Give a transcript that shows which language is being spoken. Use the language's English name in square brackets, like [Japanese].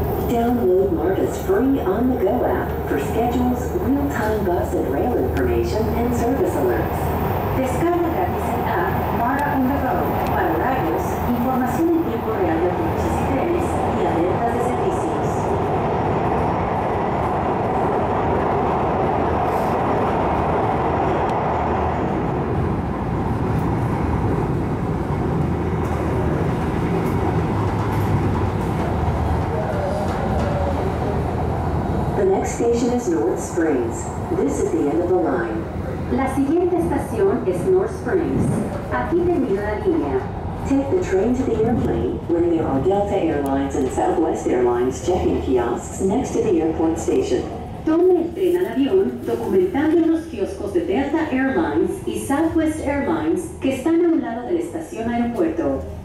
[English] Download MARTA. Service free on the Go app for schedules, real-time bus and rail information, and service alerts. [Spanish] Descarga gratis en app MARTA on the Go. Para horarios, información en tiempo real de buses y trenes y alertas de servicios. [English] Station is North Springs. This is the end of the line. [Spanish] La siguiente estación es North Springs. Aquí termina la línea. [English] Take the train to the airplane where there are Delta Airlines and Southwest Airlines check-in kiosks next to the airport station. [Spanish] Tome el tren al avión documentando en los kioscos de Delta Airlines y Southwest Airlines que están a un lado de la estación aeropuerto.